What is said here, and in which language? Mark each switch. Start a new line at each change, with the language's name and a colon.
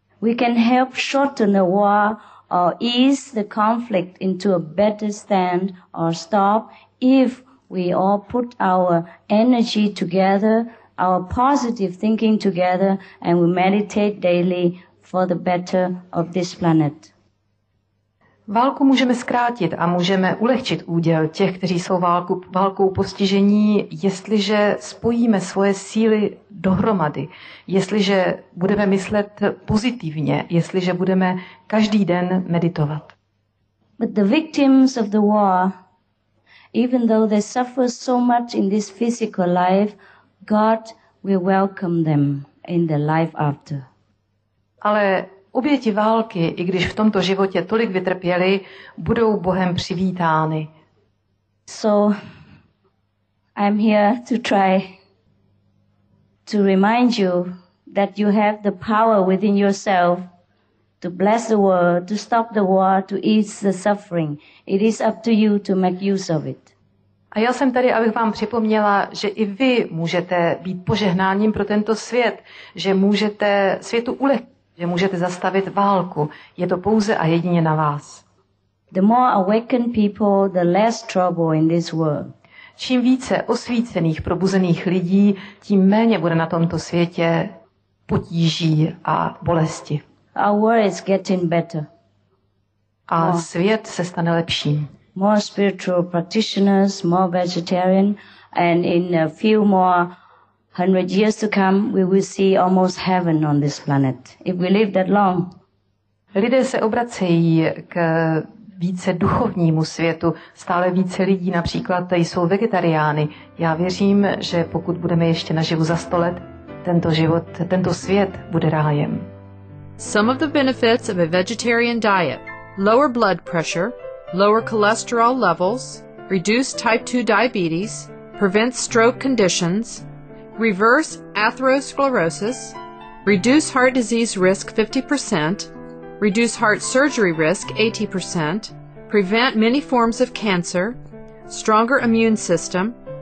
English: We can help shorten the war or ease the conflict into a better stand or stop if we all put our energy together, our positive thinking together, and we meditate daily for the better of this planet.
Czech: Válku můžeme zkrátit a můžeme ulehčit úděl těch, kteří jsou válkou postižení, jestliže spojíme svoje síly dohromady, jestliže budeme myslet pozitivně, jestliže budeme každý den meditovat.
English: But the victims of the war, even though they suffer so much in this physical life, God will welcome them in the life after.
Czech: Ale oběti války, i když v tomto životě tolik vytrpěli, budou Bohem přivítány.
English: So I'm here to try to remind you that you have the power within yourself to bless the world, to stop the war, to ease the suffering. It is up to you to make use of it.
Czech: A já jsem tady, abych vám připomněla, že i vy můžete být požehnáním pro tento svět, že můžete světu ulehčit, že můžete zastavit válku. Je to pouze a jedině na vás.
English: The more awakened people, the less trouble in this world.
Czech: Čím více osvícených, probuzených lidí, tím méně bude na tomto světě potíží a bolesti.
English: Our world is getting better.
Czech: A svět se stane lepším.
English: More spiritual practitioners, more vegetarian, and in a few more hundred years to come, we will see almost heaven on this planet. If we live that long.
Czech: Lidé se obracejí k více duchovnímu světu. Stále více lidí například jsou vegetariány. Já věřím, že pokud budeme ještě naživu za 100 let, tento život, tento svět bude rájem.
English: Some of the benefits of a vegetarian diet: lower blood pressure, lower cholesterol levels, reduced type 2 diabetes, prevents stroke conditions, reverse atherosclerosis, reduce heart disease risk 50%, reduce heart surgery risk 80%, prevent many forms of cancer, stronger immune system,